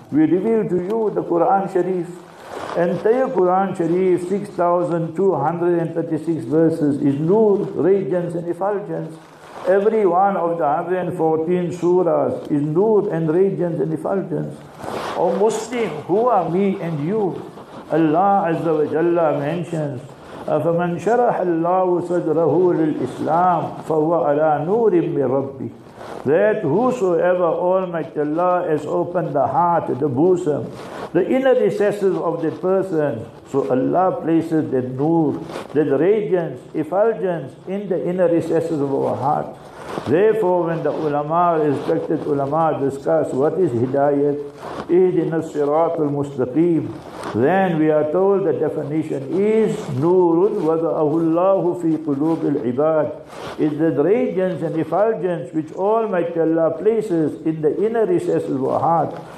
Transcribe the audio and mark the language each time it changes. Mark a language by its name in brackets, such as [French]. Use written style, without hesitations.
[English] We reveal to you the Quran Sharif. Entire Quran Sharif, 6,236 verses, is Nur, radiance and effulgence. Every one of the 114 surahs is Nur and radiance and effulgence. O Muslim, who are me and you? Allah Azza wa Jalla mentions, [Arabic] فَمَنْ شَرَحَ اللَّهُ صَدْرَهُ لِلْإِسْلَامِ فَهُوَ عَلَىٰ نُورٍ بِرَبِّهِ. [English] That whosoever Almighty Allah has opened the heart, the bosom, the inner recesses of the person, so Allah places the Nur, the radiance, effulgence in the inner recesses of our heart. Therefore, when the ulama, respected ulama, discuss what is hidayat, [Arabic] ihdina siratul mustaqim, [English] then we are told the definition is [Arabic] nurun wada'ahu Allahu fi qulubil ibad, [English] is the radiance and effulgence which Almighty Allah places in the inner recesses of our heart.